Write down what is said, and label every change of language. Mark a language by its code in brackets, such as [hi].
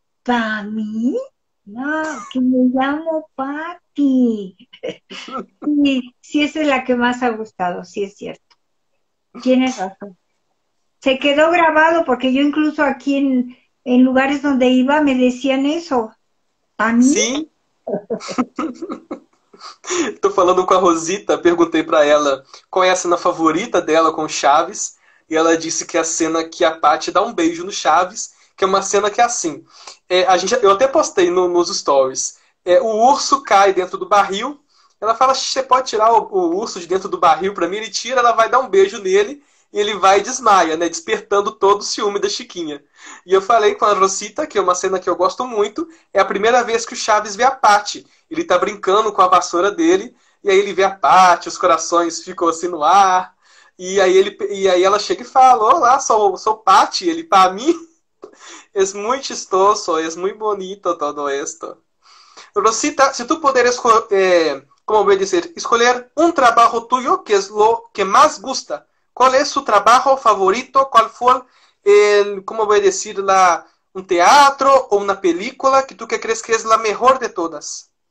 [es] Para mí, no, que me llamo Patty. Sí, esa es la que más ha gustado, sí es cierto. Tienes razón. Se quedó grabado porque yo incluso aquí en lugares donde iba me decían eso. ¿A mí? Sí. [pt] Estou falando com a Rosita, perguntei para ela qual é a cena favorita dela com o Chaves. E ela disse que a cena que a Paty dá um beijo no Chaves, que é uma cena que é assim. Eu até postei nos stories. O urso cai dentro do barril. Ela fala, você pode tirar o urso de dentro do barril para mim? Ele tira, ela vai dar um beijo nele. E ele vai e desmaia, né? Despertando todo o ciúme da Chiquinha. E eu falei com a Rosita, que é uma cena que eu gosto muito, é a primeira vez que o Chaves vê a Patty. Ele tá brincando com a vassoura dele, E aí ele vê a Paty, os corações ficam assim no ar. E aí ela chega e fala: Olá, sou Paty. Ele, para mim, [es] es muy chistoso, es muy bonito todo esto. Pero si tú pudieras, como voy a decir, escolher un trabajo tuyo, que es lo que más gusta, ¿cuál es su trabajo favorito? ¿Cuál fue el, como voy a decir, un teatro o una película que tú crees que es la mejor de todas?